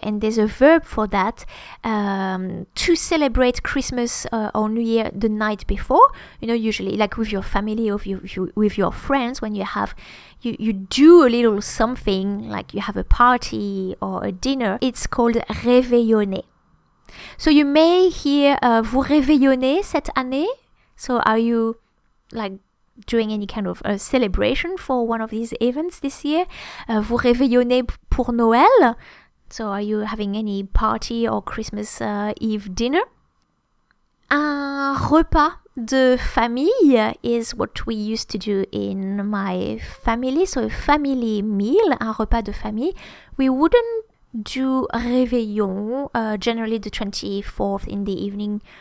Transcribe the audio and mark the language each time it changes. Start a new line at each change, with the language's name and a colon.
English: And there's a verb for that, to celebrate Christmas or New Year the night before. You know, usually like with your family or with your friends, when you have, you do a little something, like you have a party or a dinner, it's called réveillonner. So you may hear,
French: vous réveillonnez cette année?
English: So are you like doing any kind of a celebration for one of these events this year?
French: Vous réveillonnez pour Noël?
English: So are you having any party or Christmas Eve dinner?
French: Un repas de famille
English: is what we used to do in my family. So a family meal,
French: un repas de famille.
English: We wouldn't do réveillon, generally the 24th in the evening.